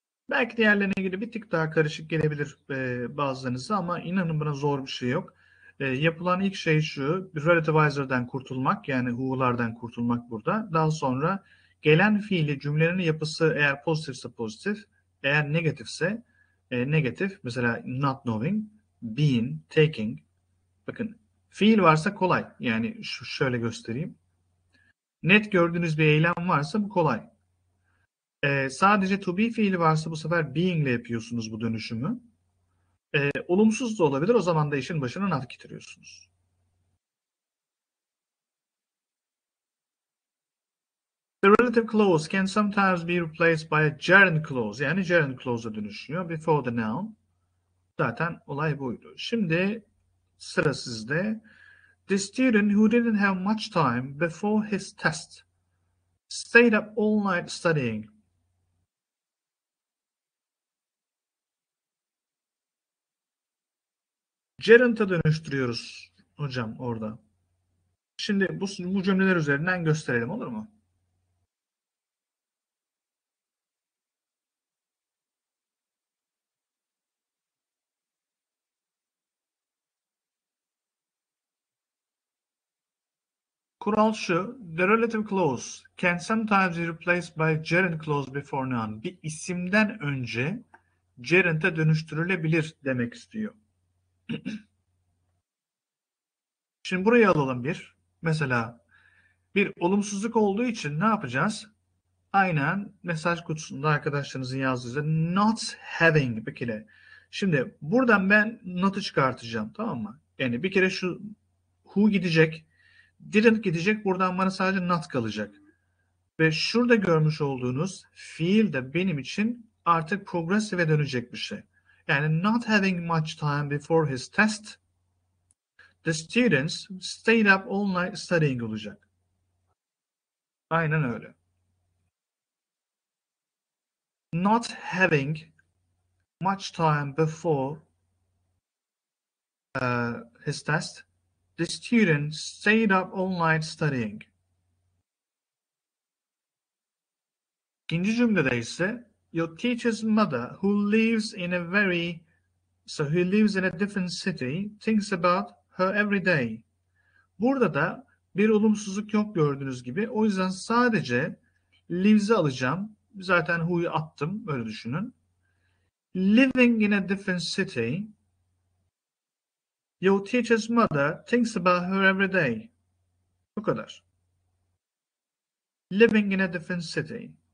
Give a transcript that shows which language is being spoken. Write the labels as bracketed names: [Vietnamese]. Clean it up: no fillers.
[Turkish] Belki diğerlerine göre bir tık daha karışık gelebilir bazılarınıza ama inanın buna zor bir şey yok. Yapılan ilk şey şu, bir relativizer'dan kurtulmak, yani who'lardan kurtulmak burada. Daha sonra gelen fiili cümlenin yapısı eğer pozitifse pozitif, eğer negatifse negatif. Mesela [English] not knowing, being, taking. [Turkish] Bakın, fiil varsa kolay. Yani şöyle göstereyim. Net gördüğünüz bir eylem varsa bu kolay. Sadece to be fiili varsa bu sefer being ile yapıyorsunuz bu dönüşümü. Olumsuz da olabilir. O zaman da işin başına not getiriyorsunuz. [English] The relative clause can sometimes be replaced by a gerund clause. [Turkish] Yani gerund clause'a dönüşüyor. [English] Before the noun. [Turkish] Zaten olay buydu. Şimdi sıra sizde. [English] The student who didn't have much time before his test stayed up all night studying. [Turkish] Gerund'a dönüştürüyoruz hocam orada. Şimdi bu cümleler üzerinden gösterelim, olur mu? Kural şu. [English] The relative clause can sometimes be replaced by gerund clause before noun. [Turkish] Bir isimden önce gerund'a dönüştürülebilir demek istiyor. Şimdi burayı alalım bir. Mesela bir olumsuzluk olduğu için ne yapacağız? Aynen mesaj kutusunda arkadaşlarınızın yazdığı [English] not having [Turkish] bir kere. Şimdi buradan ben not'ı çıkartacağım, tamam mı? Yani bir kere şu who gidecek, didn't gidecek, buradan bana sadece not kalacak. Ve şurada görmüş olduğunuz fiil de benim için artık progressive'e dönecek bir şey. Yani [English] not having much time before his test, the students stayed up all night studying [Turkish] olacak. Aynen öyle. [English] Not having much time before his test, the students stayed up all night studying. [Turkish] İkinci cümlede ise [English] your teacher's mother, who lives in a very, so who lives in a different city, thinks about her every day. [Turkish] Burada da bir olumsuzluk yok gördüğünüz gibi. O yüzden sadece lives'i alacağım. Zaten who'yu attım, öyle düşünün. [English] Living in a different city, your teacher's mother thinks about her every day. [Turkish] Bu kadar. [English] Living in a different city.